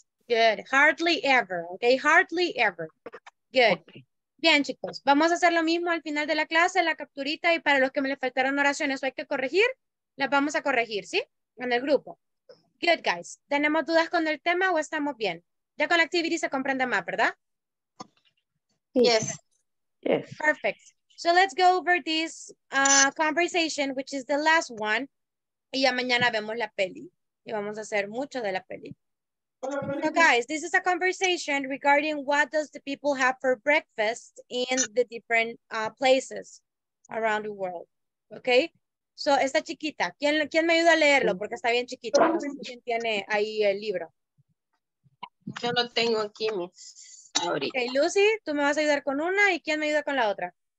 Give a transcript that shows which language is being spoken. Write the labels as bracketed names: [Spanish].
[English] Good. Hardly ever. Okay. Hardly ever. Good. Okay. [Spanish] Bien, chicos. Vamos a hacer lo mismo al final de la clase, la capturita, y para los que me le faltaron oraciones o hay que corregir, las vamos a corregir, ¿sí? En el grupo. [English] Good, guys. [Spanish] ¿Tenemos dudas con el tema o estamos bien? Ya con la activity se comprende más, ¿verdad? [English] Yes. Yes. Perfect. So let's go over this conversation, which is the last one. [Spanish] Y ya mañana vemos la peli. Y vamos a hacer mucho de la peli. [English] So guys, this is a conversation regarding what does the people have for breakfast in the different places around the world. Okay? [Spanish] So, esta chiquita, ¿quién me ayuda a leerlo? Porque está bien chiquita. No sé quién tiene ahí el libro. Yo lo tengo aquí, Miss. Okay, Lucy, tú me vas a ayudar con una y ¿quién me ayuda con la otra?